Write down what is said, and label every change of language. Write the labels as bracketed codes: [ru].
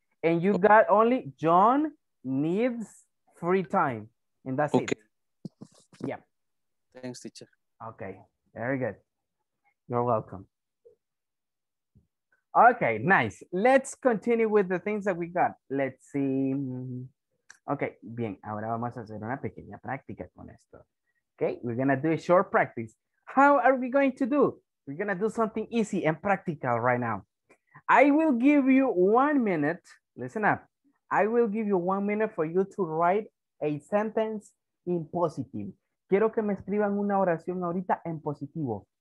[en] And you got only John needs free time. And that's okay. It. Yeah. Thanks, teacher. Okay. Very good. You're welcome. Okay, nice. Let's continue with the things that we got. Let's see. Okay, [es] bien. Ahora vamos a hacer una pequeña práctica con esto. [en] Okay, we're going to do a short practice. How are we going to do? We're going to do something easy and practical right now. I will give you 1 minute. Listen up. I will give you 1 minute for you to write a sentence in positive. [es] Quiero que me escriban una oración ahorita en positivo.